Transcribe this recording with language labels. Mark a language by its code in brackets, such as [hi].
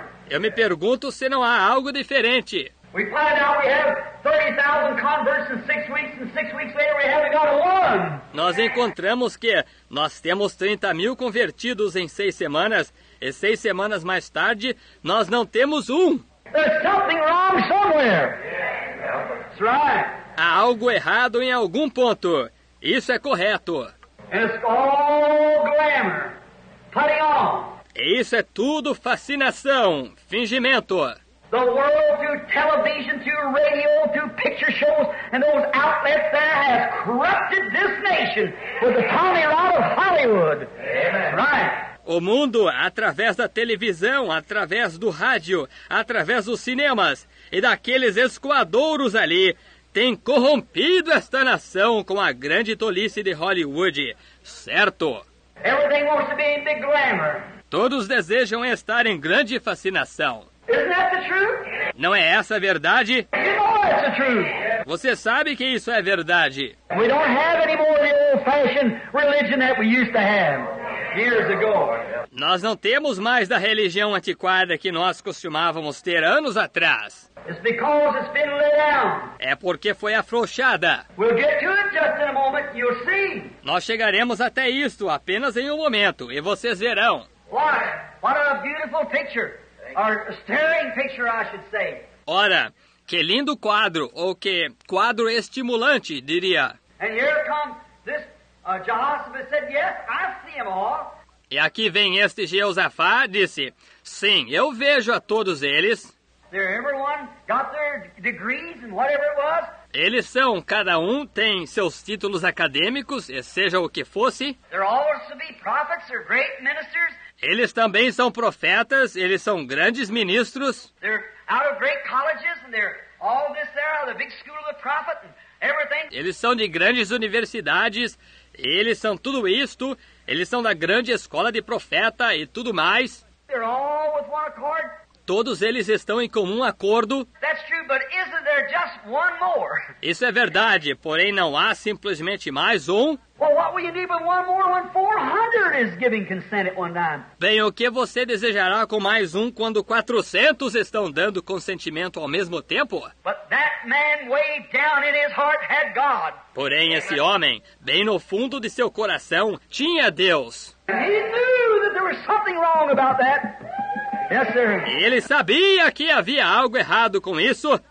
[pt] Eu me pergunto se não há algo diferente. [en] We find out we have 30,000 converts in 6 weeks, and 6 weeks later we haven't got one. [pt] Nós encontramos que nós temos 30 mil convertidos em 6 semanas, e 6 semanas mais tarde nós não temos um. [en] There's something wrong somewhere. That's right. [pt] Há algo errado em algum ponto. Isso é correto. [en] It's all glamour, putting on. [pt] Isso é tudo fascinação, fingimento. [en] The world through television, through radio, through picture shows, and those outlets there has corrupted this nation with the Tommy Rod of Hollywood. Amen. Right. [pt] O mundo, através da televisão, através do rádio, através dos cinemas e daqueles escoadouros ali, tem corrompido esta nação com a grande tolice de Hollywood, certo? [en] Everything wants to be in big glamour. [pt] Todos desejam estar em grande fascinação. [en] Isn't that the truth? [pt] Não é essa a verdade? [en] You know that's the truth. [pt] Você sabe que isso é verdade. [en] We don't have any more of the old-fashioned religion that we used to have. Years ago. [pt] Nós não temos mais da religião antiquada que nós costumávamos ter anos atrás. [en] It's because it's been laid down. [pt] É porque foi afrouxada. [en] We'll get to it just in a moment. You'll see. [pt] Nós chegaremos até isto apenas em um momento e vocês verão. [en] What a beautiful picture. Or a stirring picture, I should say. [pt] Ora, que lindo quadro, ou que quadro estimulante, diria. [en] And here comes this Jehoshaphat said, yes, I see them all. [pt] E aqui vem este Jeosafá, disse, sim, eu vejo a todos eles. [en] They're everyone got their degrees and whatever it was. [pt] Eles são, cada um tem seus títulos acadêmicos, e seja o que fosse. [en] They're always to be prophets or great ministers. [pt] Eles também são profetas, eles são grandes ministros. [en] They're out of great colleges and they're all this there, the big school of the prophet and everything. [pt] Eles são de grandes universidades, eles são tudo isto, eles são da grande escola de profeta e tudo mais. [en] They're all with one accord. [pt] Todos eles estão em comum acordo. [en] That's true, but isn't there just one more? [pt] Isso é verdade, porém não há simplesmente mais um. [en] Well, what will you need with one more when 400 is giving consent at one time? [pt] Bem, o que você desejará com mais um quando 400 estão dando consentimento ao mesmo tempo? [en] But that man way down in his heart had God. [pt] Porém, esse homem, bem no fundo de seu coração, tinha Deus. [en] He knew that there was something wrong about that. Yes, sir. [pt] Ele sabia que havia algo errado com isso?